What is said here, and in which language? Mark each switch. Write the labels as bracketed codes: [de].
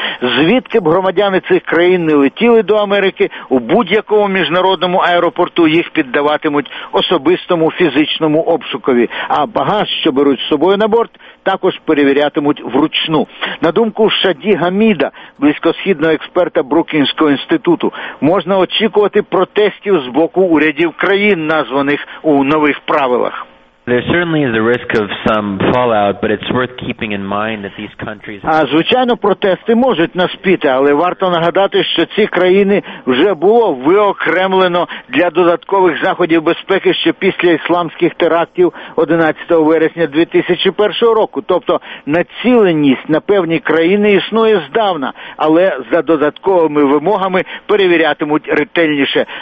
[uk] Звідки б громадяни цих країн не летіли до Америки, у будь-якому міжнародному аеропорту їх піддаватимуть особистому фізичному обшукові. А багаж, що беруть з собою на борт, також перевірятимуть вручну. На думку Шаді Гаміда, близькосхідного експерта Брукінського інституту, можна очікувати протестів з боку урядів країн, названих у нових правилах. [en] There certainly is a risk of some fallout, but it's worth keeping in mind that these countries... [uk] А, звичайно, протести можуть наспіти, але варто нагадати, що ці країни вже було виокремлено для додаткових заходів безпеки ще після ісламських терактів 11 вересня 2001 року. Тобто націленість на певні країни існує здавна, але за додатковими вимогами перевірятимуть ретельніше.